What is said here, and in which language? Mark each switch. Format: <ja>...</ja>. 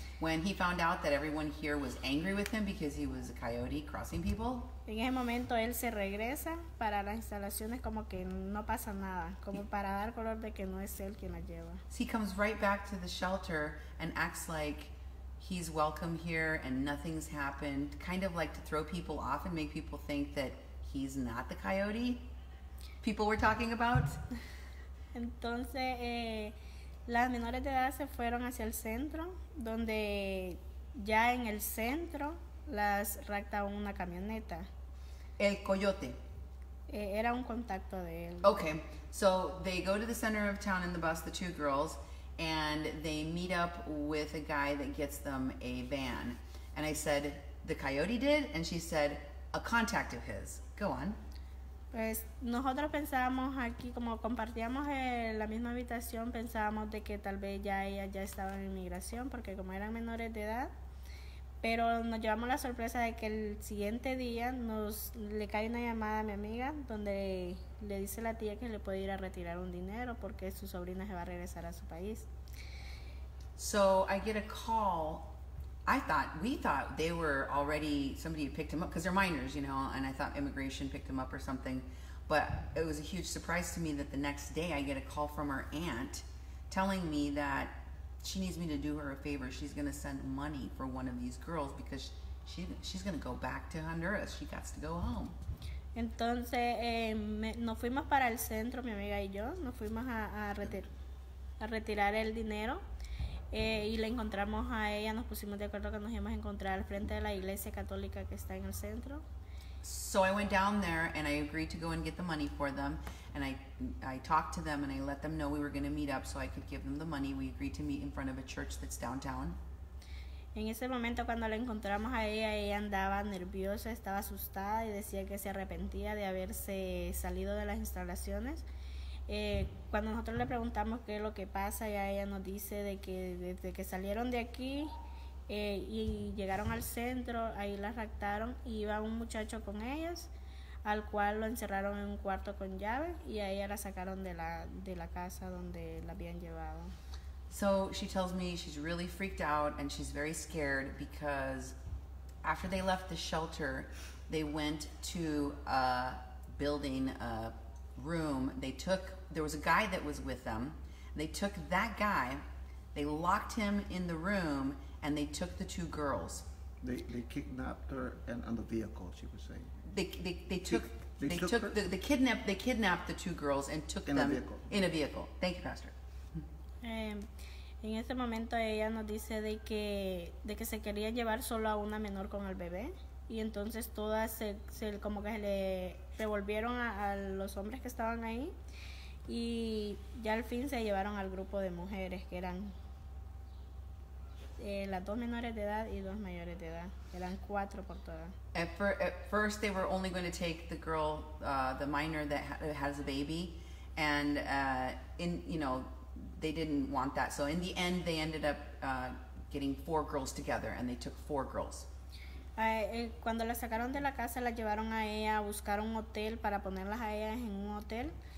<en>When he found out that everyone here was angry with him because he was a coyote crossing people.</en> <es>En ese momento él se regresa para las instalaciones como que no pasa nada, como para dar color de que no es él quien la lleva.</es> <en>So he comes right back to the shelter and acts like he's welcome here and nothing's happened, kind of like to throw people off and make people think that he's not the coyote people were talking about.</en> <es>Entonces las menores de edad se fueron hacia el centro, donde ya en el centro las racta una camioneta. El coyote. Era un contacto de él.</es> <en>Okay, so they go to the center of town in the bus, the two girls, and they meet up with a guy that gets them a van. And I said, the coyote did? And she said, a contact of his. Go on.</en> <es>Pues nosotros pensábamos aquí, como compartíamos la misma habitación, pensábamos de que tal vez ya ella ya estaba en inmigración, porque como eran menores de edad, Pero nos llevamos la sorpresa de que el siguiente día nos le cae una llamada a mi amiga donde le dice la tía que le puede ir a retirar un dinero porque su sobrina se va a regresar a su país.</es> <en>So I get a call. I thought, we thought they were already, somebody picked them up because they're minors, you know, and I thought immigration picked them up or something. But it was a huge surprise to me that the next day I get a call from her aunt telling me that she needs me to do her a favor. She's going to send money for one of these girls because she's going to go back to Honduras. She got to go home.</en> <es>Entonces, nos fuimos para el centro, mi amiga y yo. Nos fuimos a retirar el dinero. Y la encontramos a ella. Nos pusimos de acuerdo que nos íbamos a encontrar al frente de la iglesia católica que está en el centro.</es> <en>So I went down there and I agreed to go and get the money for them. And I talked to them and I let them know we were going to meet up so I could give them the money. We agreed to meet in front of a church that's downtown.</en> <es>En ese momento cuando la encontramos a ella, ella andaba nerviosa, estaba asustada y decía que se arrepentía de haberse salido de las instalaciones. Cuando nosotros le preguntamos qué es lo que pasa, ya ella nos dice de que desde que salieron de aquí y llegaron al centro, ahí la raptaron y iba un muchacho con ellas, al cual lo encerraron en un cuarto con llave y a ella la sacaron de la casa donde la habían llevado.</es> <en>So she tells me she's really freaked out and she's very scared because after they left the shelter, they went to a building, a room. There was a guy that was with them. They took that guy, they locked him in the room, and they took the two girls. They kidnapped her and on the vehicle, she was saying. They kidnapped the two girls and took in them a vehicle. In a vehicle. Thank you, Pastor.</en> <es>En ese momento ella nos dice de que se quería llevar solo a una menor con el bebé. Y entonces todas se como que se le revolvieron a los hombres que estaban ahí. Y ya al fin se llevaron al grupo de mujeres que eran las dos menores de edad y dos mayores de edad. Eran cuatro por todas.</es> <en>At first they were only going to take the girl, the minor that has a baby. And they didn't want that. So in the end they ended up getting four girls together and they took four girls.</en> <es>Cuando la sacaron de la casa, la llevaron a ella a buscar un hotel para ponerlas a ellas en un hotel.</es>